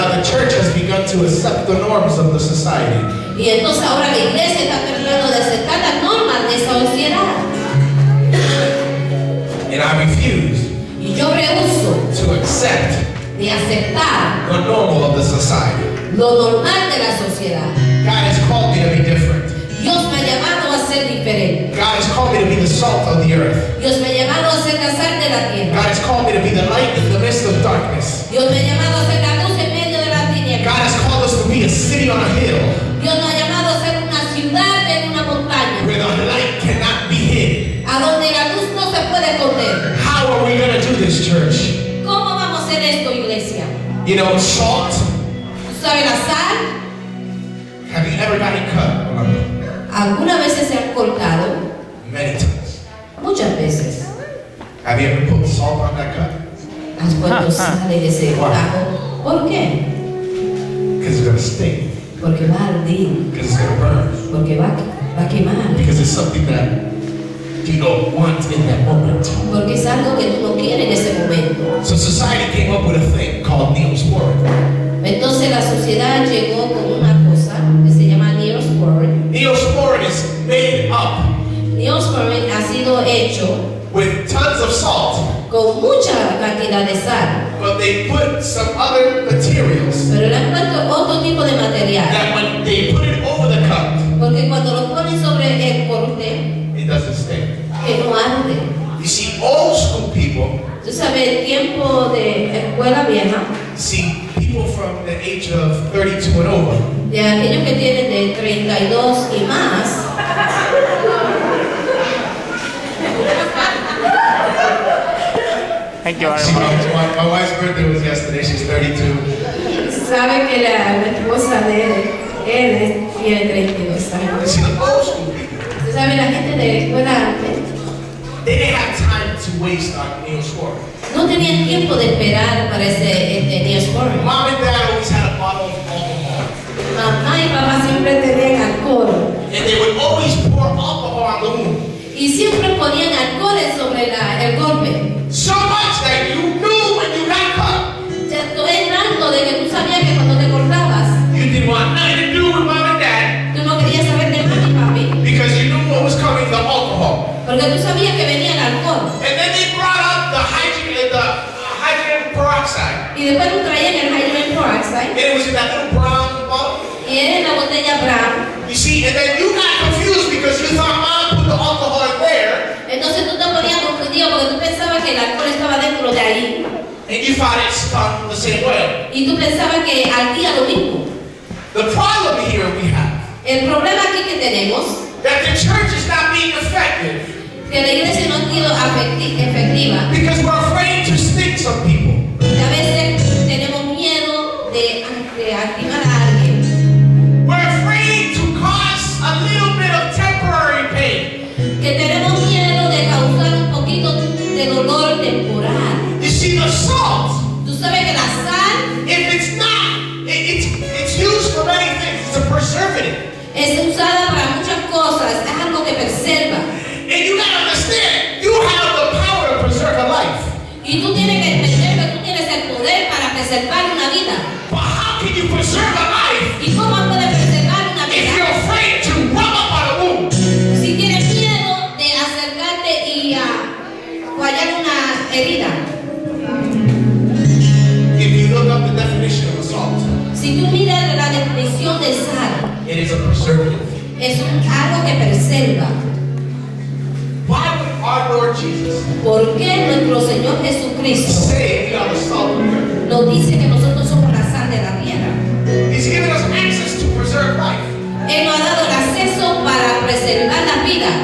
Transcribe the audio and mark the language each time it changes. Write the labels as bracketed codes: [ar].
[en] Now the church has begun to accept the norms of the society. [es] Y entonces ahora la iglesia está tratando de aceptar las normas de esa sociedad. [en] And I refuse. [es] Y yo rehuso. [en] To accept. [es] De aceptar. [en] The normal of the society. [es] Lo normal de la sociedad. [en] God has called me to be different. [es] Dios me ha llamado a ser diferente. [en] God has called me to be the salt of the earth. [es] Dios me ha llamado a ser la sal de la tierra. [en] God has called me to be the light in the midst of darkness. [es] Dios me ha llamado a ser la luz en medio de la tiniebla. [en] God has called us to be a city on a hill. [es] Dios nos ha llamado a ser una ciudad en una montaña. [en] Where the light cannot be hid. [es] A donde la luz no se puede esconder. [en] How are we going to do this, church? [es] ¿Cómo vamos a hacer esto, iglesia? [en] You know, salt. [es] ¿Tú sabes la sal? [en] Have you ever gotten cut? [es] ¿Alguna vez se ha cortado? [en] Many times. [es] Muchas veces. [en] Have you ever put salt on that cut? [es] ¿Has puesto sal en ese cortado? ¿Por qué? [en] Because it's going to sting. [es] Porque va a arder. [en] Because it's going to burn. [es] Porque va a quemar. [en] Because it's something that you don't want in that moment. [es] Porque es algo que tú no quieres en ese momento. [en] So society came up with a thing called Neosporin. [es] Entonces la sociedad llegó con una cosa que se llama Neosporin. [en] Neosporin is made up. [es] Neosporin ha sido hecho [en] with tons of salt. [es] Con mucha cantidad de sal. [en] But they put some other materials. [es] Pero le han puesto otro tipo de material. [en] That when they put it over the cup. [es] Porque cuando lo ponen sobre el corte. [en] It doesn't stick. [es] Que no arde. [en] You see, old school people. [es] Tú sabes, el tiempo de escuela vieja. [en] See, people from the age of 32 and over. [es] De aquellos que tienen de 32 y más. [en] Thank you very much. My wife's birthday was yesterday. She's 32. [es] Sabe que la esposa de él tiene 32 años. [en] See, the old school people. [es] Sabe la gente de escuela. [en] They didn't have time to waste on Neosporin. [es] No tenían tiempo de esperar para ese Neosporin. [en] Mom and dad always had a bottle of alcohol. [es] Mamá y papá siempre tenían alcohol. [en] And they would always pour alcohol on the wound. [es] Y siempre ponían alcohol sobre el golpe. [en] So much that you knew when you got cut. [es] Ya tú es tanto de que tú sabías que cuando te cortabas. [en] You didn't want nothing to do with mom and dad. [es] Tú no querías saber de mami y papi. [en] Because you knew what was coming, the alcohol. [es] Porque tú sabías que venía el alcohol. [en] And then they brought up the hydrogen peroxide. [es] Y después tú traían el [en] hydrogen peroxide. And it was in that little brown bottle. [es] Y era en la botella brown. [en] You see, and then you got confused because you thought mom put the alcohol in there. [es] Entonces tú te ponías confundido porque tú pensabas que el alcohol estaba dentro de ahí. [en] And you thought it stung the same way. [es] Y tú pensabas que ardía lo mismo. [en] The problem here we have. [es] El problema aquí que tenemos. [en] That the church is not being effective. [es] Que la iglesia no ha sido efectiva. [en] Because we're afraid to stick some people. [es] Y a veces tenemos miedo de activar a alguien. [en] We're afraid to cause a little bit of temporary pain. [es] Que tenemos miedo de causar un poquito de dolor temporal. [en] You see the salt. [es] Tú sabes que la sal. [en] If it's not, it's used for many things. It's a preservative. [es] Es usada para muchas cosas, es algo que preserva. [en] And you gotta understand, you have the power to preserve a life. [es] Y tú tienes que entender que tú tienes el poder para preservar una vida. [en] But how can you preserve a life? [es] ¿Y cómo puedes preservar una vida? [en] If you're afraid to rub up on a wound. [es] Si tienes miedo de acercarte y guayar una herida. [en] If you look up the definition of salt. [es] Si tú miras la definición de sal. [en] It is a preservative. [es] Es algo que preserva. [en] Why would our Lord Jesus? [es] ¿Por qué nuestro Señor Jesucristo? [en] Say we are the salt. [es] Nos dice que nosotros somos la sal de la tierra. [en] He's given us access to preserve life. [es] Él nos ha dado el acceso para preservar la vida.